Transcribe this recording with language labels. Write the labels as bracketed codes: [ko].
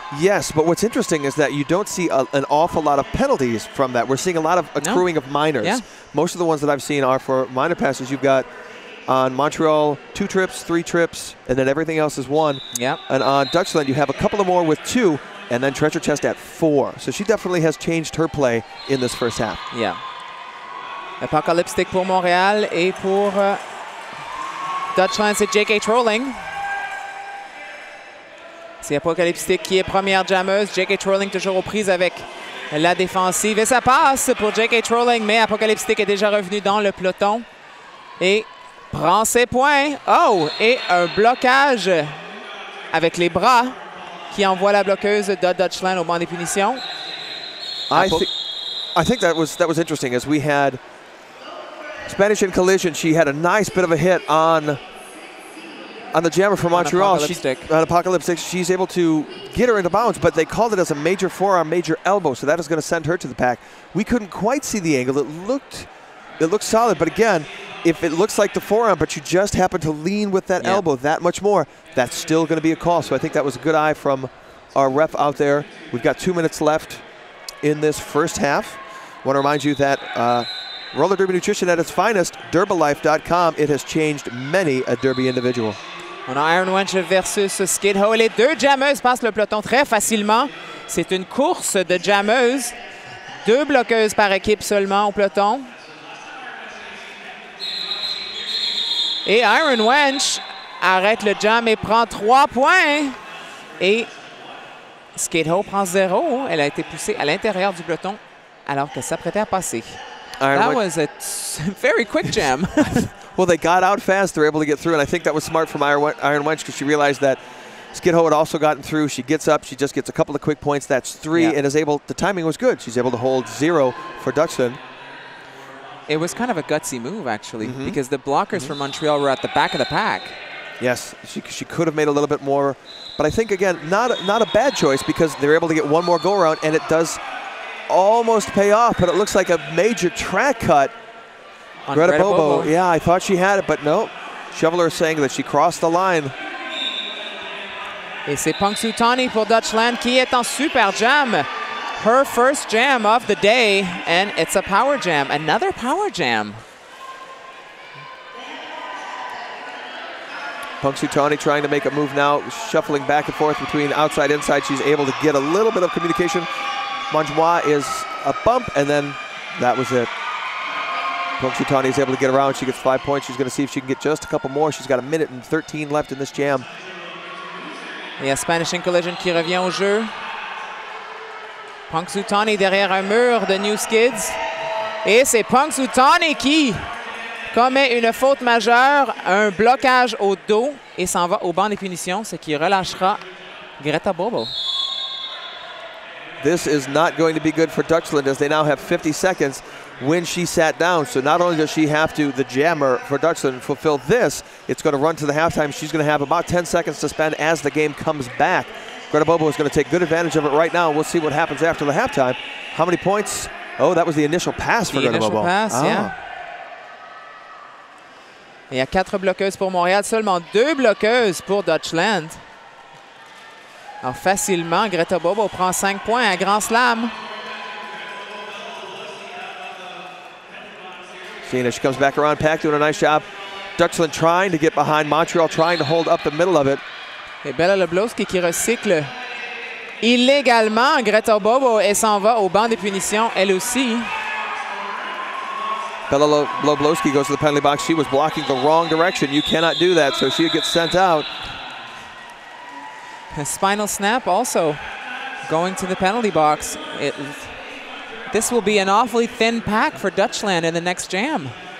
[en] Yes, but what's interesting is that you don't see an awful lot of penalties from that. We're seeing a lot of accruing of minors. Yeah. Most of the ones that I've seen are for minor passes. You've got on Montreal, 2 trips, 3 trips, and then everything else is 1. Yeah. And on Dutchland, you have a couple of more with 2, and then Treasure Chest at 4. So she definitely has changed her play in this first half. Yeah. [fr] Apocalypse stick pour Montréal et pour Dutchland, c'est JK Trolling. C'est Apocalypse Stick qui est première jammeuse. JK Trolling toujours aux prises avec la défensive. Et ça passe pour JK Trolling, mais Apocalypse Stick est déjà revenu dans le peloton. Et prend ses points. Oh! Et un blocage avec les bras qui envoie la bloqueuse de Dutchland au banc des punitions. [en] I think that was interesting as we had Spanish in collision. She had a nice bit of a hit on the jammer for Montreal. On Apocalypse Stick. She's able to get her into bounds, but they called it as a major forearm, major elbow, so that is going to send her to the pack. We couldn't quite see the angle. It looked solid, but again, if it looks like the forearm, but you just happen to lean with that elbow that much more, that's still going to be a call. So I think that was a good eye from our ref out there. We've got 2 minutes left. in this first half. I want to remind you that roller derby nutrition at its finest, Derbalife.com. It has changed many a derby individual. [fr] On a Iron Wench versus Skid Ho. Les deux jammeuses passent le peloton très facilement. C'est une course de jammeuses. Deux bloqueuses par équipe seulement au peloton. Et Iron Wench arrête le jam et prend trois points. Et Skid Ho prend zéro. Elle a été poussée à l'intérieur du peloton alors qu'elle s'apprêtait à passer. [en] That was a very quick jam. Well, they got out fast. They were able to get through. And I think that was smart from Iron Wench because she realized that Skid Ho had also gotten through. She gets up. She just gets a couple of quick points. That's three. Yeah. And is able. The timing was good. She's able to hold zero for Dutchland. It was kind of a gutsy move, actually, mm-hmm. because the blockers mm-hmm. from Montreal were at the back of the pack. Yes, she could have made a little bit more. But I think, again, not a bad choice because they're able to get one more go-around, and it does almost pay off, but it looks like a major track cut. Greta Bobo. Yeah, I thought she had it, but no. Shoveler is saying that she crossed the line. [fr] Et c'est Pang Soutani pour Dutchland qui est en super jam. [en] Her first jam of the day, and it's a power jam. Another power jam. Pang Soutani trying to make a move now, shuffling back and forth between outside and inside. She's able to get a little bit of communication. Manjwa is a bump, and then that was it. Pang Soutani is able to get around. She gets 5 points. She's going to see if she can get just a couple more. She's got a minute and 13 left in this jam. [fr] Et Spanish in Collision qui revient au jeu. Pang Soutani derrière un mur de New Skids. Et c'est Pang Soutani qui commet une faute majeure, un blocage au dos et s'en va au banc des punitions, ce qui relâchera Greta Bobo. [en] This is not going to be good for Dutchland as they now have 50 seconds when she sat down. So not only does she have to, the jammer for Dutchland, fulfill this, it's going to run to the halftime. She's going to have about 10 seconds to spend as the game comes back. Greta Bobo is going to take good advantage of it right now. We'll see what happens after the halftime. How many points? Oh, that was the initial pass for Greta Bobo. The initial pass, yeah. [fr] Il y a quatre bloqueuses pour Montréal, seulement deux bloqueuses pour Dutchland. Alors facilement, Greta Bobo prend 5 points à Grand Slam. [en] Seeing as she comes back around, Pack doing a nice job. Dutchland trying to get behind, Montreal trying to hold up the middle of it. [fr] Et Bella Leblowski qui recycle illégalement. Greta Bobo, elle s'en va au banc des punitions, elle aussi. [en] Bella Leblowski goes to the penalty box. She was blocking the wrong direction. You cannot do that, so she gets sent out. A spinal snap also going to the penalty box. This will be an awfully thin pack for Dutchland in the next jam.